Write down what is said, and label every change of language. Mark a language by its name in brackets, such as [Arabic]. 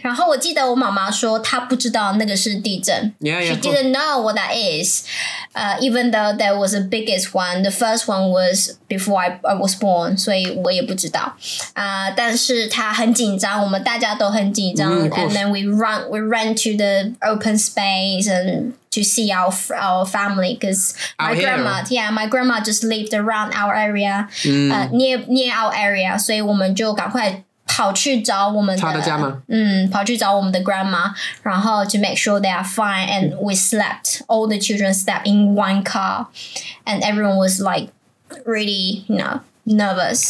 [Chinese] 然后我记得我妈妈说她不知道那个是地震。 [English] Yeah, she didn't know what that is. Even though there was the biggest one, the first one was before I was born, [Chinese] 所以我也不知道。但是她很紧张，我们大家都很紧张。 [English] And then we ran to the open space and to see our family, because my grandma just lived around our area, near our area, [Chinese] 所以我们就赶快跑去找我们的，他的家吗？跑去找我们的 [English] grandma， [Chinese] 然后 [English] to make sure they are fine， and we slept， all the children slept in one car， and everyone was like really you know nervous。